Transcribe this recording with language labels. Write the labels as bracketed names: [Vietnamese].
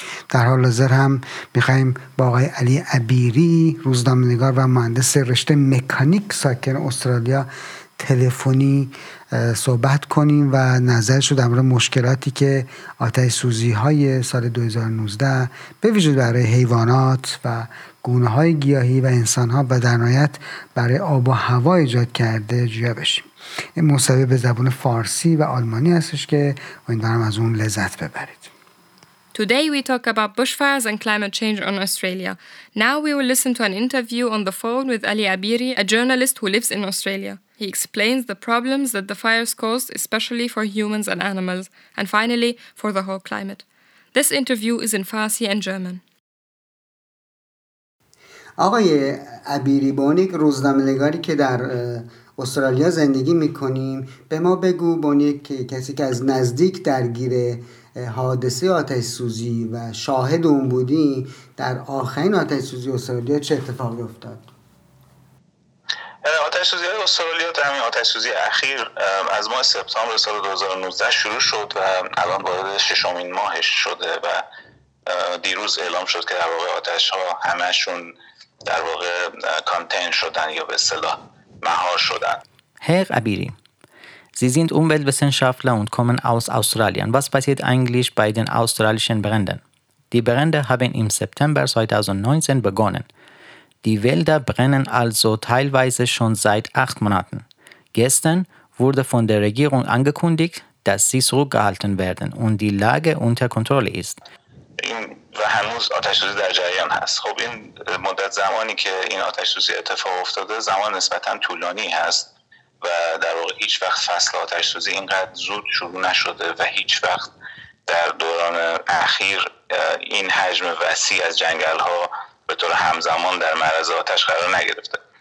[Persian] در حال حاضر هم میخواییم با آقای علی عبیری، روزنامه‌نگار و مهندس رشته مکانیک ساکن استرالیا تلفنی صحبت کنیم و نظرش رو در مورد مشکلاتی که آتش سوزی های سال 2019 به ویژه برای حیوانات و گونه های گیاهی و انسان ها و در نهایت برای آب و هوا ایجاد کرده جویا بشیم. این مصاحبه به زبان فارسی و آلمانی هستش که امیدوارم از اون لذت ببرید. [English] Today we talk about bushfires and climate change on Australia. Now we will listen to an interview on the phone with Ali Abiri, a journalist who lives in Australia. He explains the problems that the fires caused, especially for humans and animals, and finally for the whole climate. This interview is in Farsi and German. [Persian] آقای عبیری، با اون یک روزنامه‌نگاری که در استرالیا زندگی می‌کنیم، به ما بگو با اون یک کسی که از نزدیک درگیر حادثه آتش سوزی و شاهد اون بودی، در آخرین آتش سوزی استرالیا چه اتفاقی افتاد؟ آتش سوزی های استرالیا در همین آتش سوزی اخیر از ماه سپتامبر سال 2019 شروع شد و الان وارد ششمین ماهش شده و دیروز اعلام شد که در واقع آتش ها همشون در واقع کانتین شدن یا به اصطلاح مهار شدن. [German] هیق عبیری، Sie sind Umweltwissenschaftler und kommen aus Australien. Was passiert eigentlich bei den australischen Bränden? Die Brände haben im September 2019 begonnen. Die Wälder brennen also teilweise schon seit 8 Monaten. Gestern wurde von der Regierung angekündigt, dass sie zurückgehalten werden und die Lage unter Kontrolle ist. [Persian] و هنوز آتش‌سوزی در جریان هست. خب این مدت زمانی که این آتش‌سوزی اتفاق افتاده زمان نسبتاً طولانی هست و در واقع هیچ وقت فصل آتش‌سوزی اینقدر زود شروع نشده و هیچ وقت در دوران اخیر این حجم وسیع از جنگل‌ها به طور همزمان در معرض آتش قرار نگرفته.